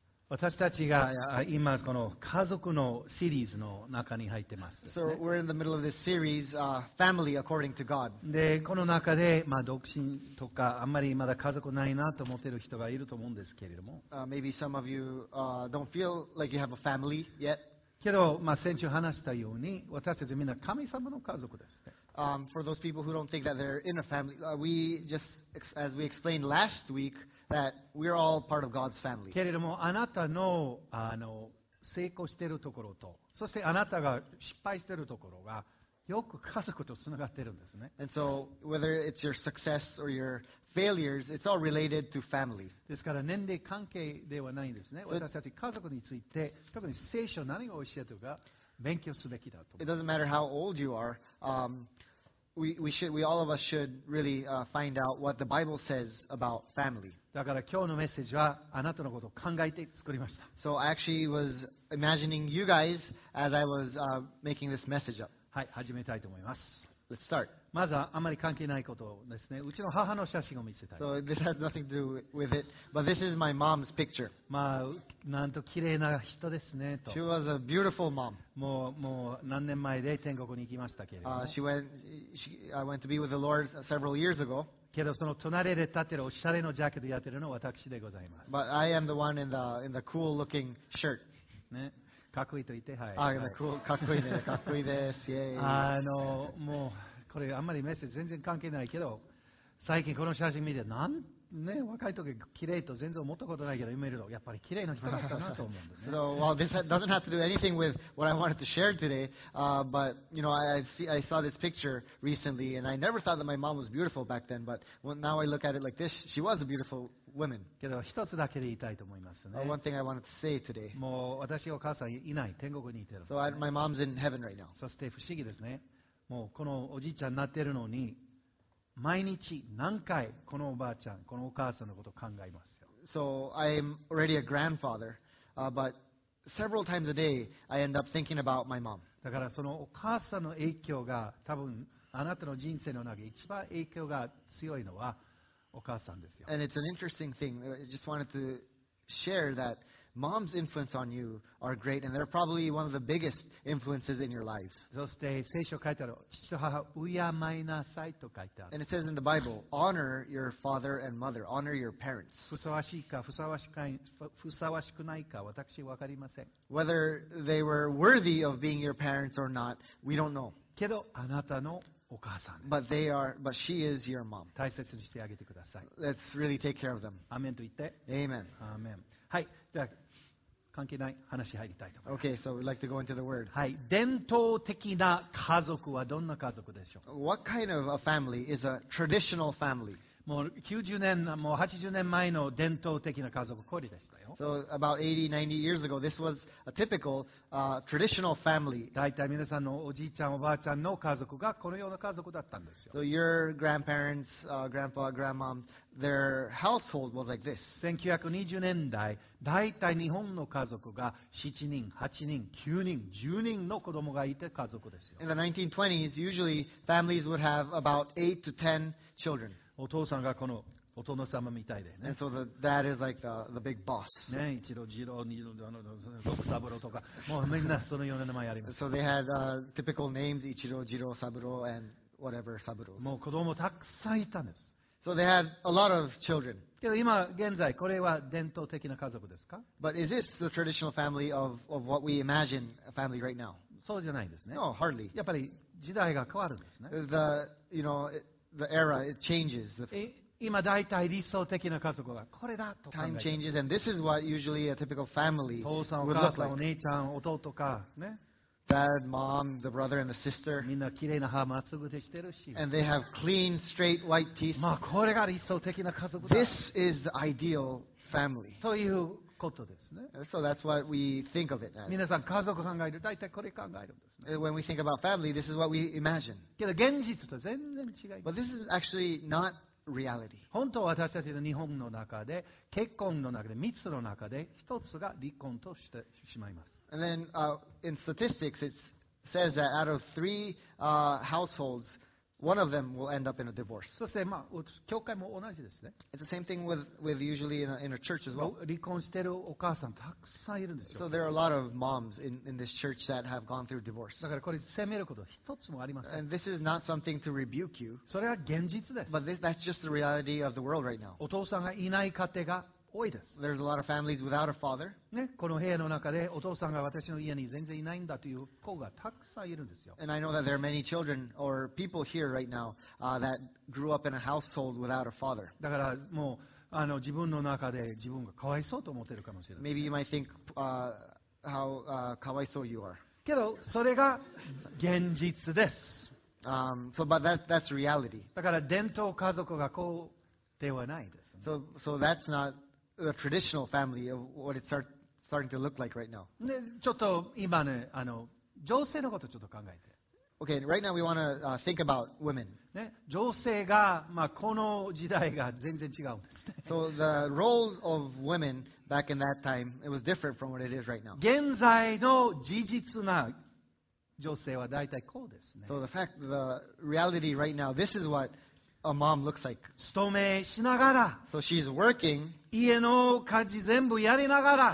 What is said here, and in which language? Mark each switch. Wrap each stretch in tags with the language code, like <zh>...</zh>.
<ja>私たちが今この家族のシリーズの中に入ってます。</ja> <en>So we're in the middle of this series, Family According to God.</en> <ja>で、この中で、まあ、独身とかあんまりまだ家族ないなと思っている人がいると思うんですけれども。</ja> <en>Maybe some of you don't feel like you have a family yet.</en> <ja>けど、まあ、先週話したように、私たちみんな神様の家族です。</ja> <en>For those people who don't think that they're in a family, we just, as we explained last week,That we're all part of God's family.</en> <ja>けれどもあなたの成功しているところと、そしてあなたが失敗しているところがよく家族とつながっているんですね。</ja> <en>And so whether it's your success or your failures, it's all related to family.</en> <ja>ですから年齢関係ではないんですね。私たち家族について、特に聖書何を教えているか勉強すべきだと。</ja> <en>It doesn't matter how old you are. We all of us should really find out what the Bible says about family.</en> <ja>だから今日のメッセージはあなたのことを考えて作りました。</ja> <en>So I actually was imagining you guys as I was making this message up.</en> <ja>はい、始めたいと思います。</ja> <en>Let's start.</en> <ja>まずはあまり関係ないことですね。うちの母の写真を見せたい。</ja> <en>So this has nothing to do with it, but this is my mom's picture.</en> <ja>まあなんと綺麗な人ですねと。</ja> <en>She was a beautiful mom.</en> <ja>もう何年前で天国に行きましたけれども。</ja> <en>I went to be with the Lord several years ago.</en> <ja>けどその隣で立ってるおしゃれのジャケットやってるのは私でございます。</ja> <en>But I am the one in the cool looking shirt.</en> <ja>ね。かっこいいと言って、はい。ああ、かっこいいね、かっこいいです。もう、これ、あんまりメッセージ全然関係ないけど、最近この写真見て、なんね、若い時綺麗と全然思ったことないけど、今見ると、やっぱり綺麗な人だったなと思うんでね。</ja> <en>So, well, this doesn't have to do anything with what I wanted to share today, but, you know, I saw this picture recently, and I never thought that my mom was beautiful back then, but now I look at it like this, she was a beautiful woman.</en> <ja>けど、一つだけで言いたいと思いますね。</ja> <en>One thing I wanted to say today.</en> <ja>もう、私、お母さんいない、天国にいてる。</ja> <en>So, my mom's in heaven right now.</en> <ja>そして、不思議ですね。もう、このおじいちゃんになってるのに、毎日何回このおばあちゃん、このお母さんのことを考えますよ。</ja> <en>So I am already a grandfather, but several times a day I end up thinking about my mom.</en> <ja>だからそのお母さんの影響が多分あなたの人生の中で一番影響が強いのはお母さんですよ。</ja> <en>And it's an interesting thing. I just wanted to share that mom's influence on you are great, and they're probably one of the biggest influences in your lives.</en> <ja>そして聖書書いてある父と母を敬いなさいと書いてある。</ja> <en>And it says in the Bible, honor your father and mother, honor your parents.</en> <ja>ふさわしいかふさわしくないか私わかりません。</ja> <en>Whether they were worthy of being your parents or not, we don't know.</en> <ja>けどあなたのお母さん。</ja> <en>But she is your mom.</en> <ja>大切にしてあげてください。</ja> <en>Let's really take care of them.</en> <ja>アーメンと言って。</ja> <en>Amen.</en> <ja>アーメン。はい、じゃあ関係ない話入りたいと思います。</ja> <en>Okay, so we'd like to go into the word.</en> <ja>はい、伝統的な家族はどんな家族でしょう。</ja> <en>What kind of a family is a traditional family?</en> <ja>もう90年、もう80年前の伝統的な家族コリでしたよ。</ja> <en>So about 80, 90 years ago, this was a typical, traditional family.</en> <ja>だいたい皆さんのおじいちゃん、おばあちゃんの家族がこのような家族だったんですよ。</ja> <en>So your grandparents, grandpa, grandma, their household was like this.</en> <ja>1920年代、だいたい日本の家族が7人、8人、9人、10人の子供がいて家族ですよ。</ja> <en>In the 1920s, usually families would have about 8 to 10 children.</en> <ja>お父さんがこのお殿様みたいでね。</ja> <en>And so the dad is like the big boss.</en> <ja>ね、一郎、二郎、二郎、六三郎とか、もうみんなそのような名前あります。</ja> <en>So they had typical names, 一郎、二郎、三郎 and whatever 三郎。</en> <ja>もう子供たくさんいたんです。</ja> <en>So they had a lot of children.</en> <ja>けど今現在これは伝統的な家族ですか</ja> <en>？But is this the traditional family of what we imagine a family right now?</en> <ja>そうじゃないですね。</ja> <en>No, hardly.</en> <ja>やっぱり時代が変わるんですね。</ja> <en>The you know The era, it changes.</en> <ja>今だいたい理想的な家族がこれだと考えます。</ja> <en>Time changes, and this is what usually a typical family would look like.</en> <ja>父さん、お母さん、お姉ちゃん、弟か、ね。</ja> <en>Dad, mom, the brother and the sister.</en> <ja>みんな綺麗な歯まっすぐでしてるし。</ja> <en>And they have clean, straight, white teeth.</en> <ja>まあこれが理想的な家族だ。</ja> <en>This is the ideal family.</en> <ja>ということですね。</ja> <en>So that's what we think of it as.</en> <ja>皆さん、家族考える、だいたいこれ考えるんですね。</ja> <en>When we think about family, this is what we imagine.</en> <ja>けど現実と全然違います。</ja> <en>But this is actually not reality.</en> <ja>本当は私たちの日本の中で、結婚の中で、3つの中で、1つが離婚としてしまいます。</ja> <en>And then, in statistics, it says that out of three, households,One of them will end up in a divorce.</en> <ja>そして、まあ、教会も同じですね。</ja> <en>It's the same thing with usually in a church as well.</en> <ja>離婚してるお母さんたくさんいるんですよ。</ja> <en>So there are a lot of moms in this church that have gone through divorce.</en> <ja>だからこれ責めること一つもありません。</ja> <en>And this is not something to rebuke you.</en> <ja>それは現実です。</ja> <en>But that's just the reality of the world right now.</en> <ja>お父さんがいない家庭が多いです。</ja> <en>There's a lot of families without a father.</en> <ja>ね、この部屋の中でお父さんが私の家に全然いないんだという子がたくさんいるんですよ。</ja> <en>And I know that there are many children or people here right now, that grew up in a household without a father.</en> <ja>だからもう自分の中で自分がかわいそうと思ってるかもしれない。</ja> <en>Maybe you might think, how,</en> <ja>かわいそう</ja> <en>you are.</en> <ja>けどそれが現実です。</ja> <en>So, but that's reality.</en> <ja>だから伝統家族がこうではないです、ね。</ja> <en>So that's not The traditional family of what it's starting to look like right now.</en> <ja>ね、ちょっと今ね、女性のことちょっと考えて。</ja> <en>Okay, right now we want to think about women.</en> <ja>ね、女性が、まあ、この時代が全然違うんですね。</ja> <en>So the role of women back in that time, it was different from what it is right now.</en> <ja>現在の事実な女性は大体こうですね。</ja> <en>So the fact, the reality right now, this is what a mom looks like.</en> <ja>勤めしながら。</ja> <en>So she's working.</en> <ja>家の家事全部やりながら、</ja>